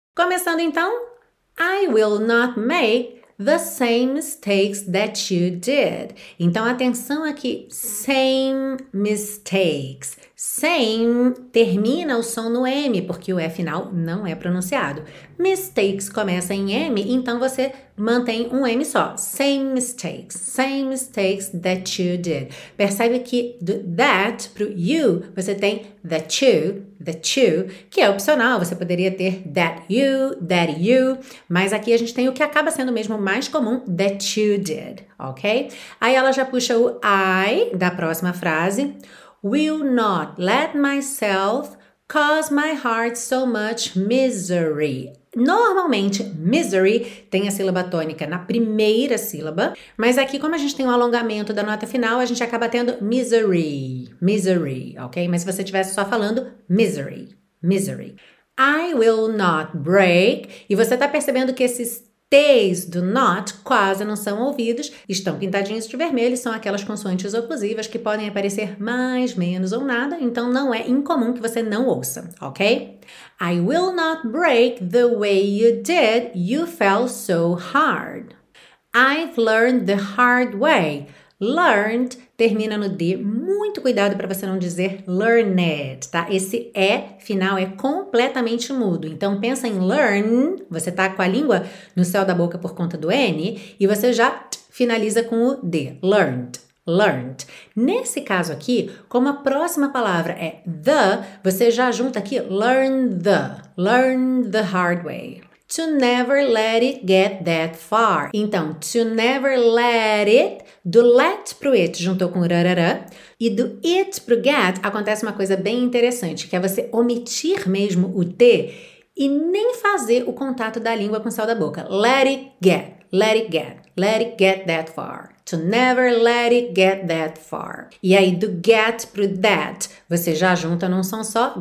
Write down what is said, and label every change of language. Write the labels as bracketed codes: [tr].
[pt] Começando então, [en] I will not make the same mistakes that you did. [pt] Então atenção aqui, [en] same mistakes. [pt] Same termina o som no M, porque o E final não é pronunciado. Mistakes começa em M, então você mantém um M só. [en] Same mistakes that you did. [pt] Percebe que do that pro you, você tem the to, que é opcional, você poderia ter that you, mas aqui a gente tem o que acaba sendo mesmo mais comum, [en] that you did, [pt] ok? Aí ela já puxa o I da próxima frase. [en] Will not let myself cause my heart so much misery. [pt] Normalmente, misery tem a sílaba tônica na primeira sílaba, mas aqui, como a gente tem um alongamento da nota final, a gente acaba tendo misery, misery, ok? Mas se você estivesse só falando misery, misery. [en] I will not break. [pt] E você está percebendo que esses T's [en] do not [pt] quase não são ouvidos, estão pintadinhos de vermelho, são aquelas consoantes oclusivas que podem aparecer mais, menos ou nada, então não é incomum que você não ouça, ok? [en] I will not break the way you did, you fell so hard. I've learned the hard way. [pt] Learned termina no D. Muito cuidado para você não dizer learned, tá? Esse E final é completamente mudo. Então pensa em learn, você tá com a língua no céu da boca por conta do N, e você já finaliza com o D. Learned, learned. Nesse caso aqui, como a próxima palavra é the, você já junta aqui [en] learn the hard way. To never let it get that far. [pt] Então, [en] to never let it, [pt] do let pro it, juntou com rarara, e do it pro get, acontece uma coisa bem interessante, que é você omitir mesmo o T e nem fazer o contato da língua com o céu da boca. [en] Let it get that far. To never let it get that far. [pt] E aí, do get pro that, você já junta num som só.